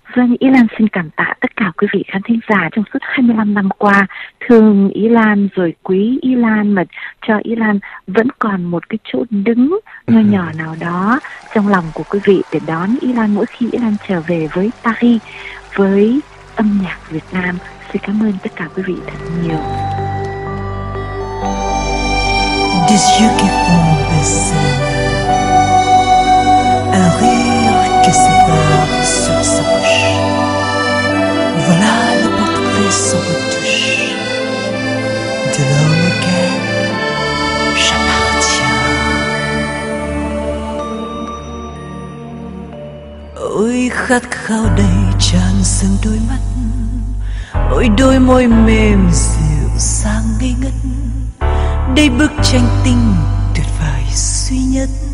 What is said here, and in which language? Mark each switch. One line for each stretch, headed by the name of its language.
Vietnamese: Vâng, Ý Lan xin cảm tạ tất cả quý vị khán thính giả trong suốt 25 năm qua thương Ý Lan, rồi quý Ý Lan, mà cho Ý Lan vẫn còn một cái chỗ đứng nho nhỏ nào đó trong lòng của quý vị để đón Ý Lan mỗi khi Ý Lan trở về với Paris với âm nhạc Việt Nam. Xin cảm ơn tất cả quý vị thật nhiều.
French: Des yeux qui font baisser, un rire qui s'évapore sur sa bouche, voilà le portrait sans retouche de l'homme auquel j'appartiens.
Vietnamese: Ôi khát khao đầy tràn sương đôi mắt, ôi đôi môi mềm dịu sang ngây ngất, đây bức tranh tình tuyệt vời duy nhất.